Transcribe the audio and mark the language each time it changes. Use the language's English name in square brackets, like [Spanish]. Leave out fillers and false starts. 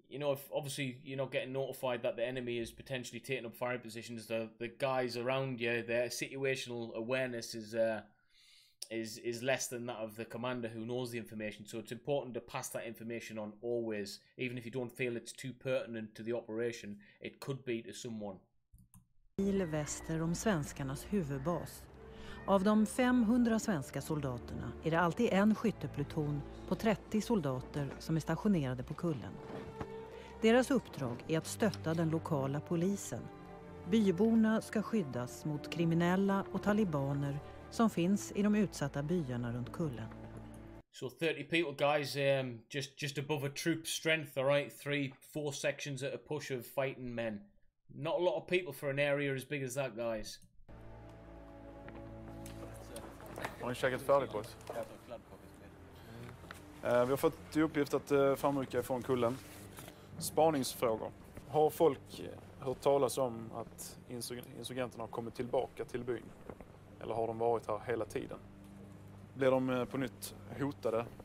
[English] You know, if obviously you're not getting notified that the enemy is potentially taking up firing positions, the guys around you, their situational awareness is less than that of the commander who knows the information. So it's important to pass that information on always, even if you don't feel it's too pertinent to the operation. It could be to someone. [Swedish] Mil väster om svenskarnas huvudbas. Av de 500 svenska soldaterna är det alltid en skyttepluton på 30 soldater som är stationerade på kullen. Deras uppdrag är att stötta den lokala polisen. Byborna ska skyddas mot kriminella och talibaner som finns i de utsatta byarna runt kullen. [English] So 30 people guys, just above a troop strength, all right? 3-4 sections at a push of fighting men. Not a lot of people for an area as big as that, guys. [Swedish] Har ni käkat färdigt, boys? Vi har fått i uppgift att framrycka ifrån kullen. Spaningsfrågor. Har folk hört talas om att insurgenterna har kommit tillbaka till byn? Eller har de varit här hela tiden? Blir de på nytt hotade?